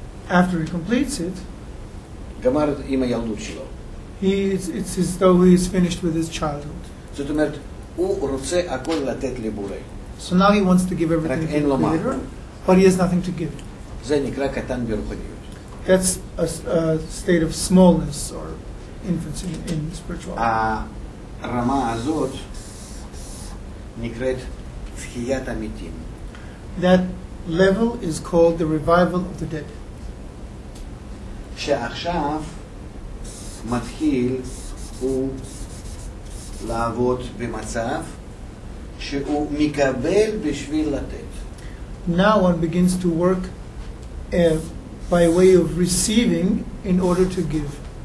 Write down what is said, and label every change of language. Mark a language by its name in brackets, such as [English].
[English] After he completes it, it's as though he is finished with his childhood. So now he wants to give everything to the Creator, but he has nothing to give. [Hebrew] זה נקרא קטן ברוחניות. [English] That's a state of smallness or infancy in spirituality. [Hebrew] הרמה הזאת נקראת תחיית המתים. [English] That level is called the revival of the dead. [Hebrew] שעכשיו מתחיל הוא לעבוד במצב שהוא מקבל בשביל לתת. [English] Now one begins to work by way of receiving in order to give.